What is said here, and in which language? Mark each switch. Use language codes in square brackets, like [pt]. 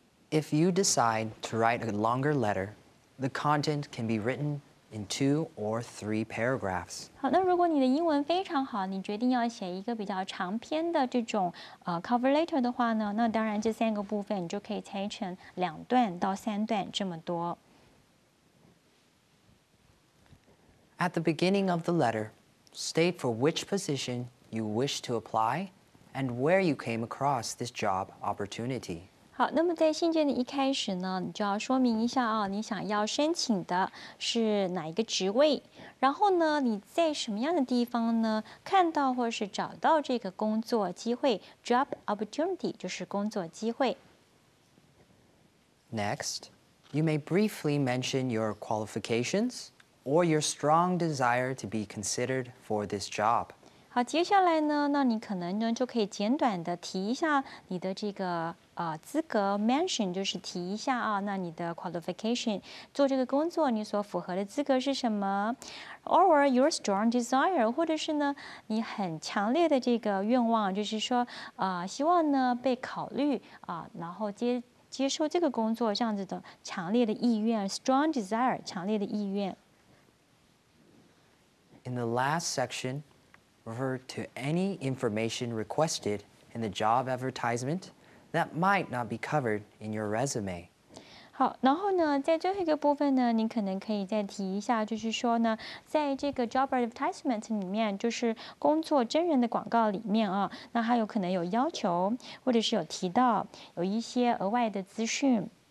[en] If you decide to write a longer letter, the content can be written. In two or three paragraphs. [zh] 好，那如果你的英文非常好，你决定要写一个比较长篇的这种cover letter 的话呢，那当然这三个部分你就可以拆成两段到三段这么多。 [en] At the beginning of the letter, state for which position you wish to apply and where you came across this job opportunity. [zh] 好，那么在信件的一开始呢，你就要说明一下啊，你想要申请的是哪一个职位，然后呢，你在什么样的地方呢，看到或是找到这个工作机会 ，job opportunity 就是工作机会。 [en] Next, you may briefly mention your qualifications or your strong desire to be considered for this job. [zh] 好，接下来呢，那你可能呢就可以简短的提一下你的这个资格 ，mention 就是提一下啊，那你的 qualification 做这个工作你所符合的资格是什么 ， [en] or your strong desire， [zh] 或者是呢你很强烈的这个愿望，就是说希望呢被考虑然后接受这个工作这样子的强烈的意愿 ，strong desire 强烈的意愿。 [en] In the last section. Refer to any information requested in the job advertisement that might not be covered in your resume. [zh] 好，然后呢，在最后一个部分呢，你可能可以再提一下，就是说呢，在这个 job advertisement 里面，就是工作真人的广告里面啊，那还有可能有要求，或者是有提到有一些额外的资讯。